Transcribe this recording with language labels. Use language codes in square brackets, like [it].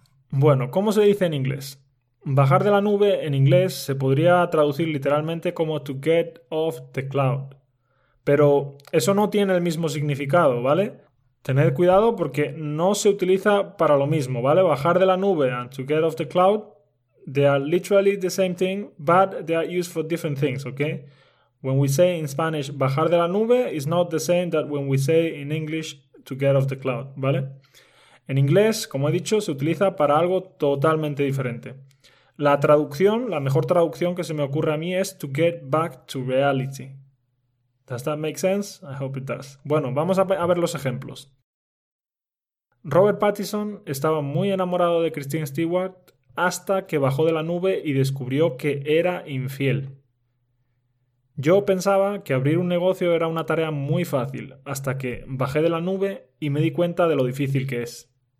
[es] Bueno, ¿cómo se dice en inglés? Bajar de la nube en inglés se podría traducir literalmente como [en] to get off the cloud. [es] Pero eso no tiene el mismo significado, ¿vale? Tened cuidado porque no se utiliza para lo mismo, ¿vale? Bajar de la nube [en] and to get off the cloud, they are literally the same thing, but they are used for different things, ¿ok? When we say in Spanish [es] bajar de la nube, [en] it's not the same that when we say in English to get off the cloud, ¿vale? [es] En inglés, como he dicho, se utiliza para algo totalmente diferente. La traducción, la mejor traducción que se me ocurre a mí es [en] to get back to reality. Does that make sense? I hope it does. [es] Bueno, vamos a ver los ejemplos. Robert Pattinson estaba muy enamorado de Christine Stewart hasta que bajó de la nube y descubrió que era infiel. Yo pensaba que abrir un negocio era una tarea muy fácil, hasta que bajé de la nube y me di cuenta de lo difícil que es.